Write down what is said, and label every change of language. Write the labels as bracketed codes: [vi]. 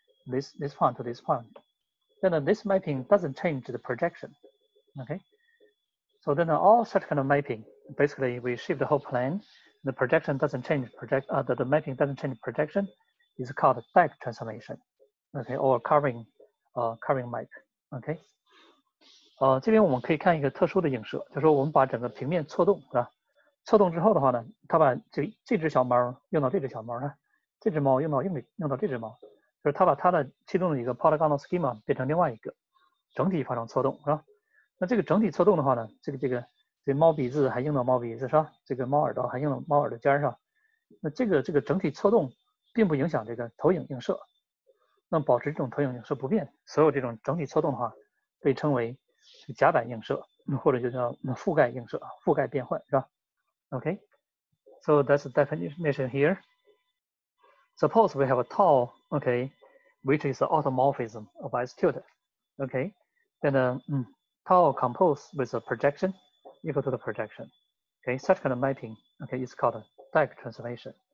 [en] This point to this point. Then this mapping doesn't change the projection, okay? So then all such kind of mapping, basically we shift the whole plane, the projection doesn't change, the mapping doesn't change projection, is called back transformation, okay, or covering map, okay. [zh] 这边我们可以看一个特殊的映射，就是说我们把整个平面错动，对吧？错动之后的话呢，它把这只小猫用到这只小猫呢，这只猫用到这只猫，就是它把它的其中的一个 polygonal schema 变成另外一个，整体发生错动，是吧？那这个整体错动的话呢，这个猫鼻子还用到猫鼻子，是吧？这个猫耳朵还用到猫耳朵尖上，那这个整体错动并不影响这个投影映射，那保持这种投影映射不变，所有这种整体错动的话被称为甲板映射，或者就叫覆盖映射，覆盖变换，是吧？ [en] OK, so that's the definition here. Suppose we have a tau, okay, which is the automorphism of S tilde, okay, then tau composed with a projection equal to the projection, okay, such kind of mapping, okay, is called a DAG transformation.